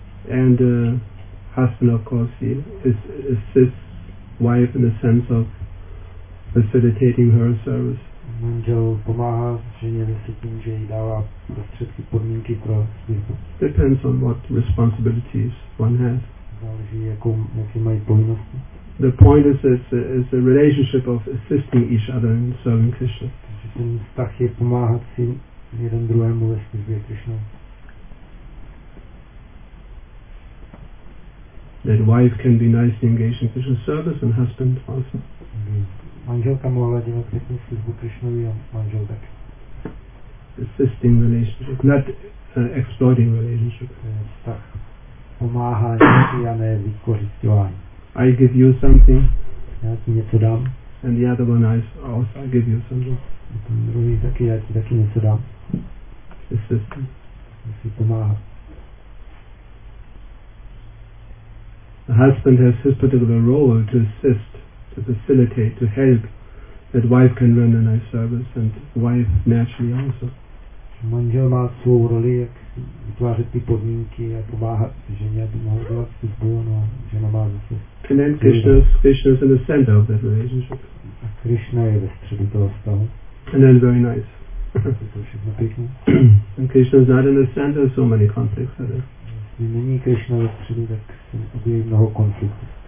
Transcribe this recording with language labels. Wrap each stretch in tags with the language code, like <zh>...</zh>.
<en>And husband, of course, he assists wife in the sense of facilitating her service.</en> <cs>Manžel pomáhá ženě se tím, že jí dává prostředky, podmínky pro službu.</cs> <en>Depends on what responsibilities one has.</en> <cs>Záleží, jaké mají povinnosti.</cs> <en>The point is a relationship of assisting each other in serving Krishna.</en> <cs>Takže ten vztah je pomáhat si jeden druhému ve službě Krishna.</cs> <en>That wife can be nicely engaged in Krishna service and husband also.</en> <cs>Manželka mohla dělat pěknou službu Krišnovi a manžel tak.</cs> <en>Assisting relationship, not exploiting relationship.</en> <cs>Vztah pomáhání a ne vykořisťování.</cs> <en>I give you something.</en> <cs>Já ti něco dám.</cs> <en>And the other one I also give you something.</en> <cs>A ten druhý taky, já ti taky něco dám.</cs> <en>Assisting.</en> <cs>Musí pomáhat.</cs> <en>The husband has his particular role to assist, to facilitate, to help, that wife can run a nice service, and wife naturally also.</en> <cs>Manžel má svou roli, jak vytvářet ty podmínky a pomáhat ženě, aby mohla dělat službu, no a žena má zase...</cs> <en>And then Krishna is in the center of that relationship.</en> <cs>A Krishna je ve středu toho stavu.</cs> <en>And then very nice.</en> <cs>Je to všechno pěkné.</cs> <en>And Krishna is not in the center, so many conflicts are there.</en> <cs>Jestli není Krishna ve středu, tak se objeví mnoho konfliktů.</cs>